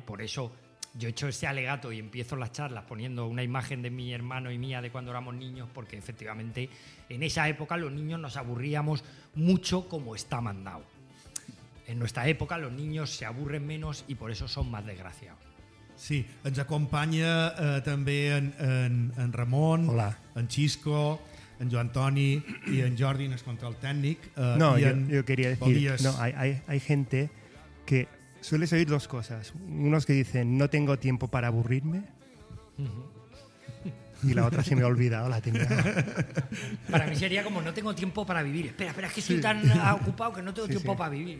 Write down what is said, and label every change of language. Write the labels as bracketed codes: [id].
[es] Por eso yo he hecho ese alegato y empiezo las charlas poniendo una imagen de mi hermano y mía de cuando éramos niños, porque efectivamente en esa época los niños nos aburríamos mucho como está mandado. En nuestra época los niños se aburren menos y por eso son más desgraciados. [ca] Sí, ens acompanya també en Ramon. Hola. En Xisco, en Joan Toni i en Jordi, en el control tècnic. [es] No, [ca] jo [es] quería decir, no, hay gente que sueles oír dos cosas. Unos que dicen, no tengo tiempo para aburrirme. Y la otra se me ha olvidado, la tenía. Para mí sería como, no tengo tiempo para vivir. Espera, es que estoy tan ocupado que no tengo tiempo para vivir.